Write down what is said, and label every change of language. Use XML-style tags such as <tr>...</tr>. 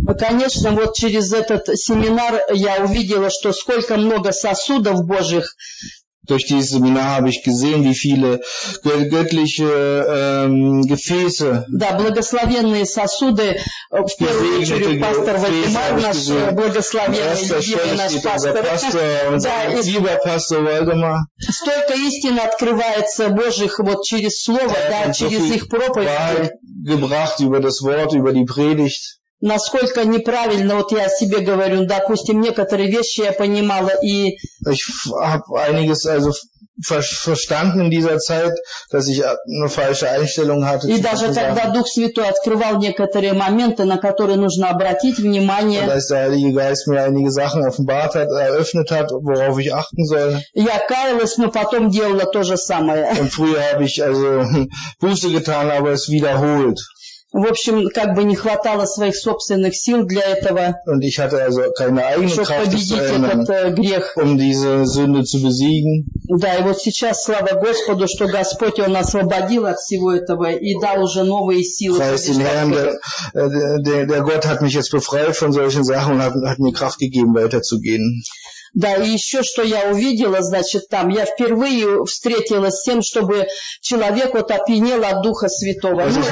<ru>Конечно, вот через этот семинар я увидела, что сколько много сосудов Божьих.</ru> <de>Durch dieses Seminar habe ich gesehen, wie viele göttliche Gefäße.</de> <ru>Да, благословенные сосуды. В первую очередь пастор Вальдемар наш благословенный, любимый наш пастор. Да, и столько истин открывается Божьих вот через слово, да, через их проповедь. Насколько неправильно, вот я себе говорю, допустим, некоторые вещи я понимала и...</ru> <de>Ich hab einiges also verstanden in dieser Zeit, dass ich eine falsche Einstellung hatte.</de> <ru>И даже когда Дух Святой открывал некоторые моменты, на которые нужно обратить внимание...</ru> <de>Und als der Heilige Geist mir einige Sachen offenbart hat, eröffnet hat, worauf ich achten soll.</de> <ru>Я каялась, но потом делала то же самое.</ru> <de>Und früher habe ich also Buße getan, aber es wiederholt.</de> <ru>В общем, как бы не хватало своих собственных сил для этого, чтобы победить этот грех. Да, и вот сейчас слава Господу, что Господь Он освободил от всего этого и дал уже новые силы.</ru> <de>Der Gott hat mich jetzt befreit von solchen Sachen und hat mir Kraft gegeben, weiterzugehen.</de> <ru>Да, и еще что я увидела, значит, там, я впервые встретилась с тем, чтобы человек вот опьянел от Духа Святого.</ru>